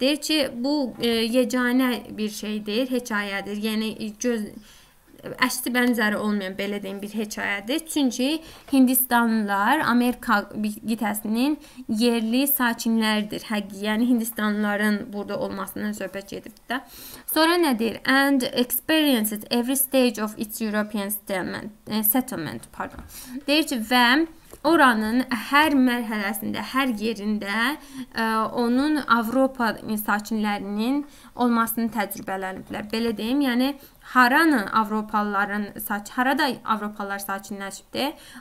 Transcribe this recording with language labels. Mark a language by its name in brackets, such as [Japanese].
[Azerbaijani] Deyir ki, bu yeganə bir şeydir, hekayədir. Yəni, əşti bənzəri olmayan belə deyim bir hekayədir. Çünki Hindistanlılar Amerika qitəsinin yerli sakinləridir. Yəni, Hindistanlıların burada olmasından söhbət gedib də. Sonra nədir? [English] And experiences every stage of its European settlement. [Azerbaijani] Pardon. Deyir ki, və oranın hər mərhələsində, hər yerində onun Avropa sakinlərinin olmasını təcrübələniblər. Belə deyim, yəni haranı Avropalıların harada Avropalılar sakinləşibdir?